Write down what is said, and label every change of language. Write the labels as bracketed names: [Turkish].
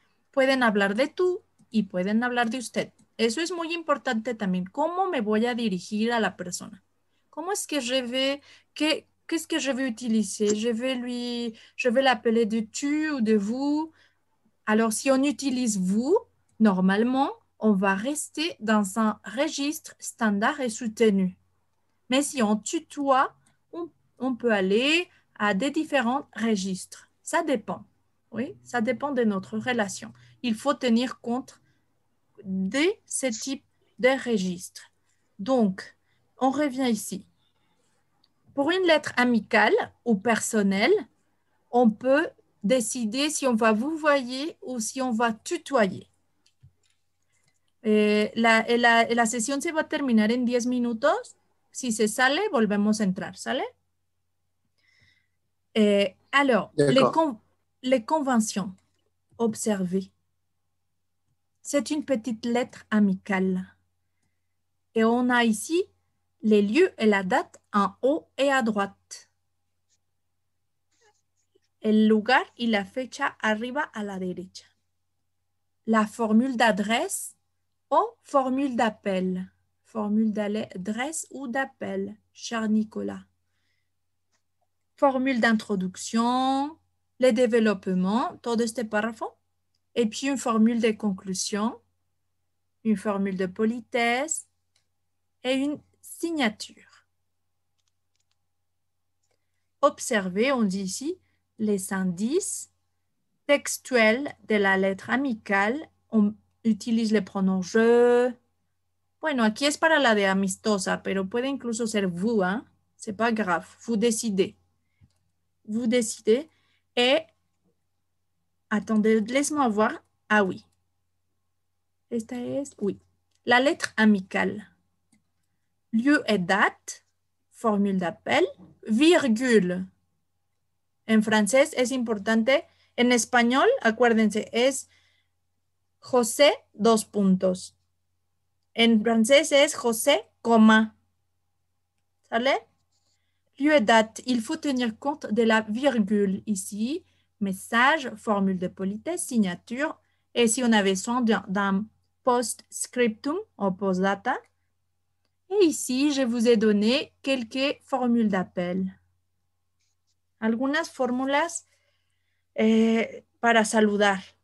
[Spanish] Pueden hablar de tú y pueden hablar de usted. Eso es muy importante también. ¿Cómo me voy a dirigir a la persona? [French] Comment est-ce que je vais, qu'est-ce que je vais utiliser? Je vais l'appeler de tu ou de vous. Alors, si on utilise vous, normalement, on va rester dans un registre standard et soutenu. Mais si on tutoie, on peut aller à des différents registres. Ça dépend, oui, ça dépend de notre relation. Il faut tenir compte de ce type de registre. Donc, on revient ici. Pour une lettre amicale ou personnelle, on peut décider si on va vous voyer ou si on va tutoyer. [Spanish] La session se va terminar en 10 minutos. Si se sale, volvemos a entrar, ¿sale? [French] Alors, les conventions observées. C'est une petite lettre amicale. Et on a ici les lieux et la date en haut et à droite. [Spanish] El lugar y la fecha arriba a la derecha. [French] La formule d'adresse ou formule d'appel. Formule d'adresse ou d'appel, cher Nicolas. Formule d'introduction, le développement, [Spanish] todo este párrafo. [French] Et puis une formule de conclusion, une formule de politesse et une signature. Observez, on dit ici, les indices textuels de la lettre amicale. On utilise le pronom « je ». [Spanish] Bueno, aquí es para la de amistosa, pero puede incluso ser vous, hein? [French] C'est pas grave, vous décidez. Vous décidez et attendez, laisse-moi voir. Ah oui. [Spanish] Esta es, [French] oui. La lettre amicale. Lieu et date, formule d'appel, virgule. En français, [Spanish] es importante. En español, acuérdense, es José dos puntos. En francés es José, coma. ¿Sale? [French] Lieu et date. Il faut tenir compte de la virgule ici. Message, formule de politesse, signature. Et si on avait soin d'un post-scriptum ou post-data. Et ici, je vous ai donné quelques formules d'appel. [Spanish] Algunas formulas para saludar.